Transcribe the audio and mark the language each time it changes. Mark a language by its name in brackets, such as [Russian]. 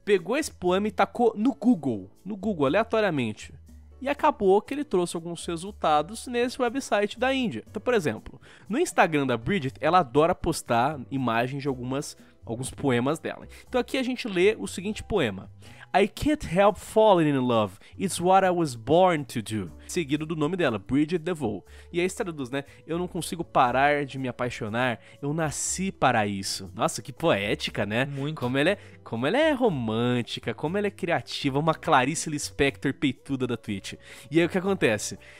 [Portuguese] Pegou esse poema e tacou no Google, aleatoriamente. E acabou que ele trouxe alguns resultados nesse website da Índia. Então, por exemplo, no Instagram da Bridget, ela adora postar imagens de alguns poemas dela. Então aqui a gente lê o seguinte poema. [English] I can't help falling in love. It's what I was born to do. [Portuguese] Seguido do nome dela, Bridget DeVoe. E aí se traduz, né? Eu não consigo parar de me apaixonar. Eu nasci para isso. Nossa, que poética, né? Muito. Como ela é romântica, como ela é criativa. Uma Clarice Lispector peituda da Twitch. E aí o que acontece?